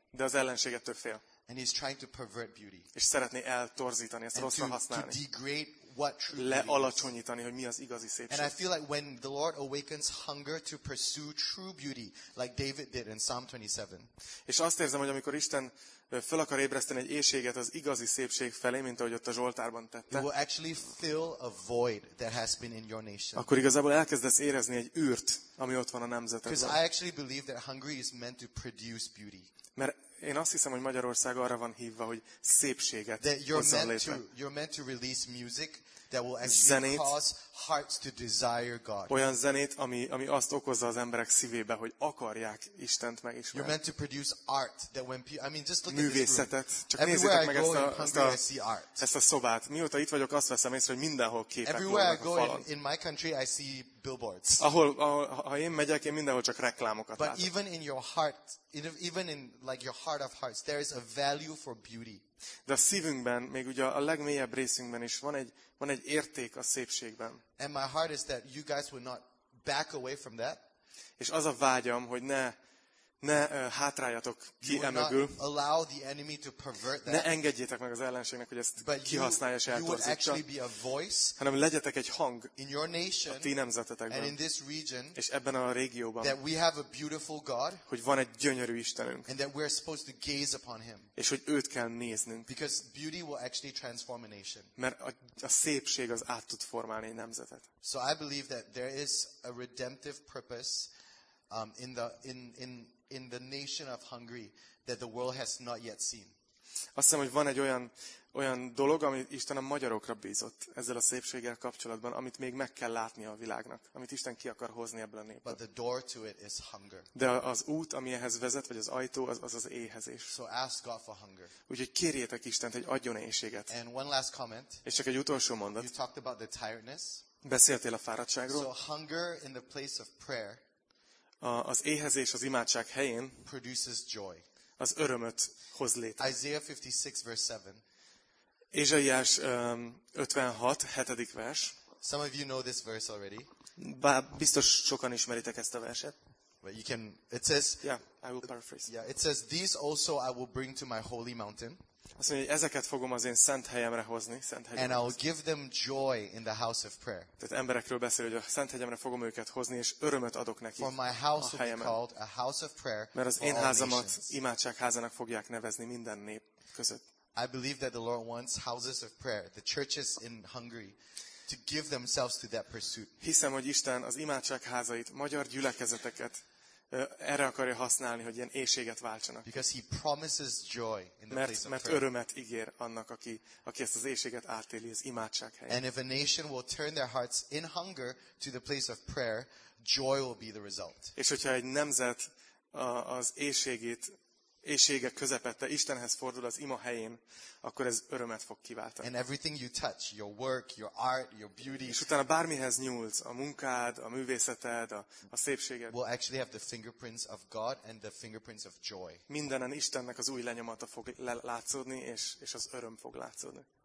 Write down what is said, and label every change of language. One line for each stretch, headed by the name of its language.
Hungarian: De az ellenség ettől fél.
English: And he's trying to pervert beauty.
Hungarian: És szeretné eltorzítani, ezt rosszra használni.
English: To degrade what true beauty.
Hungarian: Lealacsonyítani, hogy mi az igazi szépség.
English: And I feel like when the Lord awakens hunger to pursue true beauty, like David did in Psalm 27.
Hungarian: És azt érzem, hogy amikor Isten fel akar ébreszteni egy éhséget az igazi szépség felé, mint ahogy ott a Zsoltárban tette.
English: It will actually fill a void that has been in your nation.
Hungarian: Akkor igazából elkezdesz érezni egy űrt, ami ott van a nemzetedben.
English: Because I actually believe that Hungary is meant to produce beauty.
Hungarian: Mert én azt hiszem, hogy Magyarország arra van hívva, hogy szépséget hozzon létre.
English: You're meant to release music that will actually cause hearts to desire God.
Hungarian: Olyan zenét, ami azt okozza az emberek szívébe, hogy akarják Istent megismerni.
English: You're meant to produce art that when people, I mean, just look at
Hungarian: művészetet. Csak
English: everywhere
Hungarian: nézzétek
English: I go
Hungarian: ezt a,
English: in Hungary, I see art.
Hungarian: Ezt a szobát. Mióta itt vagyok, azt veszem észre, hogy mindenhol képek
English: everywhere
Hungarian: vannak
English: I go
Hungarian: a falon.
English: In my country, I see billboards.
Hungarian: Ha én megyek, én mindenhol csak reklámokat
English: But even in your heart, even in like your heart of hearts, there is a value for beauty.
Hungarian: De a szívünkben, még ugye a legmélyebb részünkben is van egy érték a szépségben.
English: And my heart is that you guys would not back away from that.
Hungarian: És az a vágyam, hogy ne hátráljatok ki emögül.
English: Allow the enemy to pervert that.
Hungarian: Ne engedjétek meg az ellenségnek, hogy ezt kihasználja és eltorzítsa.
English: You would actually be a voice,
Hungarian: hanem legyetek egy hang
English: in your nation,
Hungarian: a ti nemzetetekben,
English: and in this region,
Hungarian: és ebben a régióban,
English: that we have a beautiful God,
Hungarian: hogy van egy gyönyörű Istenünk,
English: and that we're supposed to gaze upon him,
Hungarian: és hogy őt kell néznünk.
English: Because beauty will actually transform a nation.
Hungarian: Mert a szépség az át tud formálni egy nemzetet.
English: So I believe that there is a redemptive purpose in the nation of Hungary that the world has not yet seen.
Hungarian: Azt hiszem, hogy van egy olyan dolog, amit Isten a magyarokra bízott ezzel a szépséggel kapcsolatban, amit még meg kell látnia a világnak, amit Isten ki akar hozni ebből a népből.
English: But the door to it is hunger.
Hungarian: De az út, ami ehhez vezet, vagy az ajtó, az éhezés.
English: So ask God for hunger.
Hungarian: Úgyhogy kérjétek Istent, hogy adjon éhséget.
English: And one last comment.
Hungarian: És csak egy utolsó mondat.
English: You talked about the tiredness.
Hungarian: Beszéltél a fáradtságról.
English: So hunger in the place of prayer.
Hungarian: Az éhezés az imádság helyén
English: produces joy.
Hungarian: az örömöt hoz létre.
English: Isaiah 56 verse 7.
Hungarian: Ézsaiás 56, 7. vers.
English: Some of you know this verse already.
Hungarian: Biztos sokan ismeritek ezt a verset.
English: But you can, it says, yeah, I will paraphrase. Yeah, it says, these also I will bring to my holy mountain.
Hungarian: Azt mondja, hogy ezeket fogom az én szent helyemre hozni, szent helyemre.
English: And I will give them joy in the house of prayer.
Hungarian: Tehát emberekről beszél, hogy a szent helyemre fogom őket hozni, és örömet adok nekik.
English: For my house will be called a house of prayer.
Hungarian: Mert az én házamat imádságházának fogják nevezni minden nép között.
English: I believe that the Lord wants houses of prayer, the churches in Hungary, to give themselves to that pursuit.
Hungarian: Hiszem, hogy Isten az imádságházait, magyar gyülekezeteket erre akarja használni, hogy ilyen éhséget váltsanak.
English: Because he promises joy in the place of prayer.
Hungarian: Mert örömet ígér annak, aki ezt az éhséget átéli az imádság helyén.
English: And if a nation will turn their hearts in hunger to the place of prayer, joy will be the result.
Hungarian: És hogyha egy nemzet az éhségét éhsége közepette Istenhez fordul az ima helyén, akkor ez örömet fog kiváltani.
English: And everything you touch, your work, your art, your beauty.
Hungarian: És utána bármihez nyúlsz, a munkád, a művészeted, a szépséged.
English: Will actually have the fingerprints of God and the fingerprints of joy.
Hungarian: Mindenen Istennek az új lenyomata fog látszódni, és az öröm fog látszódni.